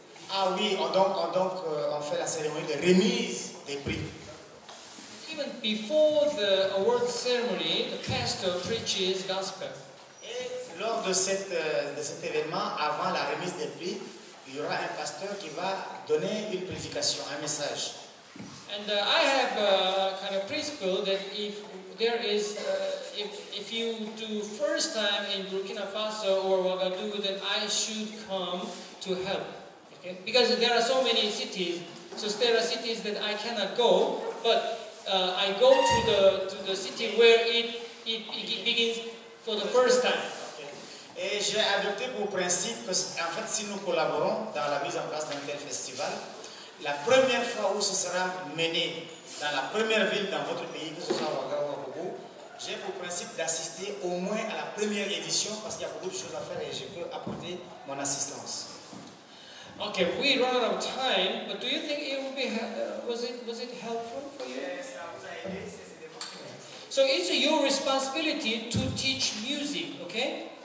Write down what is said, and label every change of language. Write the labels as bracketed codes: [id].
[fr] Ah oui, on fait la cérémonie de remise des prix. [en] Even before the award ceremony, the pastor preaches gospel. [fr] Et lors de cet événement, avant la remise des prix, il y aura un pasteur qui va donner une prédication, un message. [en] And I have a kind of principle that if there is, if you do first time in Burkina Faso or Ouagadougou, then I should come to help. Okay? Because there are so many cities, so there are cities that I cannot go, but I go to the city where it begins for the first time. Okay. [fr] Et j'ai adopté pour principe que en fait si nous collaborons dans la mise en place d'un tel festival. La première fois où ce sera mené dans la première ville dans votre pays, que ce soit Ouagadougou ou Ouagadougou, j'ai pour principe d'assister au moins à la première édition parce qu'il y a beaucoup de choses à faire et je peux apporter mon assistance. [en] Ok, we run out of time, but do you think it would be was it helpful for you? Yes, I would say yes. So it's your responsibility to teach music, okay?